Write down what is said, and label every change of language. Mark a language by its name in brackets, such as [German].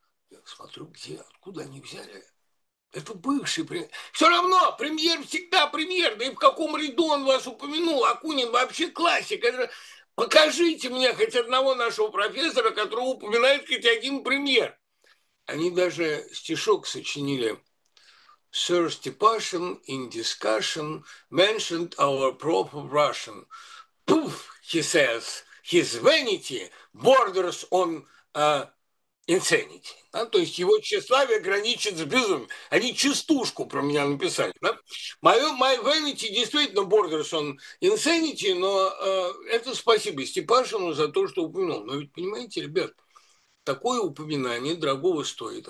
[Russian] Я смотрю, где, откуда они взяли. Это бывший премьер. Все равно, премьер всегда премьер. Да и в каком ряду он вас упомянул? Акунин вообще классик. Это... Покажите мне хоть одного нашего профессора, которого упоминает хоть один премьер. Они даже стишок сочинили: [English] «Sir Stepashin in discussion mentioned our prof of Russian. Poof, he says, his vanity borders on insanity». [Russian] Да? То есть его тщеславие граничит с безумием. Они частушку про меня написали. Да? [English] My vanity [Russian] действительно [English] borders on insanity, [Russian] но это спасибо Степашину за то, что упомянул. Но ведь понимаете, ребят, такое упоминание дорогого стоит.